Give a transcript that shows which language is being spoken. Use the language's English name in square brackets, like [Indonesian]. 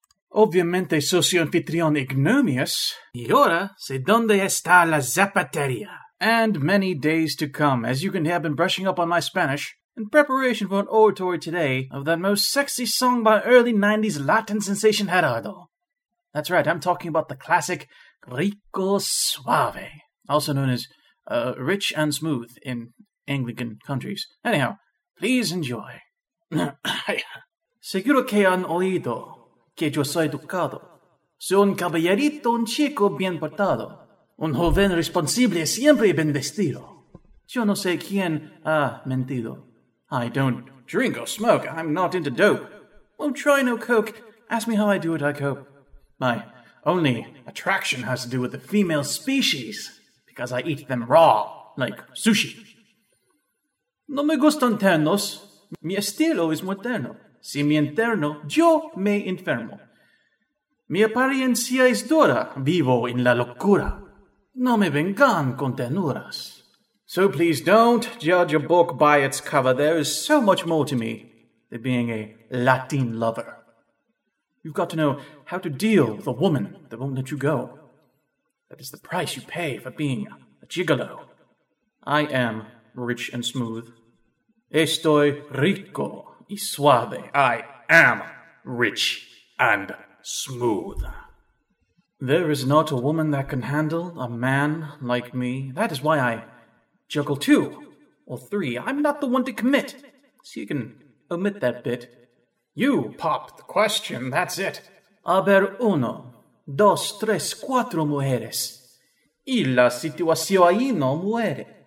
[Spanish] Obviamente soy su anfitrión Ignomius, y ahora sé dónde está la zapatería. [English] And many days to come, as you can hear, I've been brushing up on my Spanish in preparation for an oratory today of that most sexy song by early 90s Latin sensation Gerardo. That's right, I'm talking about the classic Rico Suave, also known as Rich and Smooth in Anglican countries. Anyhow, please enjoy. [Spanish] Seguro que han oído que yo soy educado. Soy un caballerito, un chico bien portado. Un joven responsable siempre bien vestido. Yo no sé quién ha mentido. [English] I don't drink or smoke. I'm not into dope. Won't try no coke. Ask me how I do it, I cope. My only attraction has to do with the female species, because I eat them raw, like sushi. [Spanish] No me gustan ternos. Mi estilo es moderno. Si me interno, yo me enfermo. Mi apariencia es dura. Vivo en la locura. No me vengan con ternuras. [English] So please don't judge a book by its cover. There is so much more to me than being a Latin lover. You've got to know how to deal with a woman that won't let you go. That is the price you pay for being a gigolo. I am rich and smooth. [Spanish] Estoy rico y suave. [English] I am rich and smooth. There is not a woman that can handle a man like me. That is why I juggle two or three. I'm not the one to commit. So you can omit that bit. You pop the question, that's it. [Spanish] Haber uno, dos, tres, cuatro mujeres. Y la situación ahí no muere.